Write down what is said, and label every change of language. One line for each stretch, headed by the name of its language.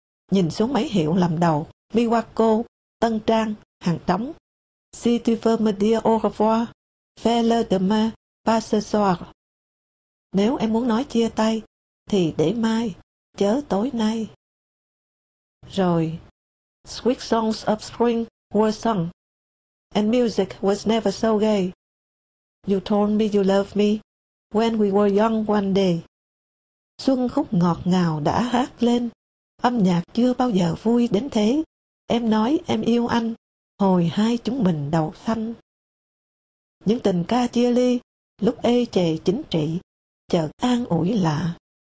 Vietnamese: Nhìn xuống mấy hiệu làm đầu, Miwako, Tân Trang, Hàng Trống,
French: Si tu veux me dire au revoir, fais le demain, pas ce soir.
Vietnamese: Nếu em muốn nói chia tay, thì để mai, chớ tối nay.
English: Rồi, sweet songs of spring were sung, and music was never so gay. You told me you loved me when we were young one day.
Vietnamese: Xuân khúc ngọt ngào đã hát lên, âm nhạc chưa bao giờ vui đến thế. Em nói em yêu anh, hồi hai chúng mình đầu xanh. Những tình ca chia ly, lúc ê chề chính trị, chợt an ủi lạ.